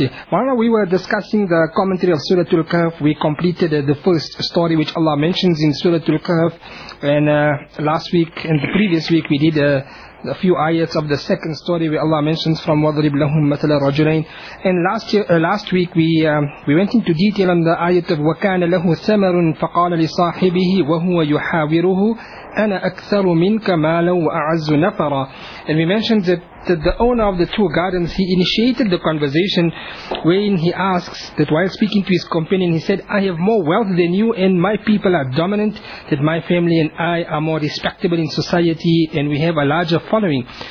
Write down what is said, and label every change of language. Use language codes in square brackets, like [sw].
[en] Maulana, we were discussing the commentary of Suratul Kahf. We completed the first story which Allah mentions in Suratul Kahf. And last week and the previous week, we did a few ayats of the second story where Allah mentions from [ar] Wadrib lahum matala rajulain. [en] And last week we went into detail on the ayat of [ar] وَكَانَ لَهُ ثَمَرٌ فَقَالَ لِصَاحِبِهِ وَهُوَ يُحَاوِرُهُ أَنَا أَكْثَرُ مِنْكَ مَالًا وَأَعَزُّ نَفَرًا. [en] And we mentioned that the owner of the two gardens, he initiated the conversation wherein he asks that while speaking to his companion, he said, I have more wealth than you and my people are dominant, that my family and I are more respectable in society and we have a larger following.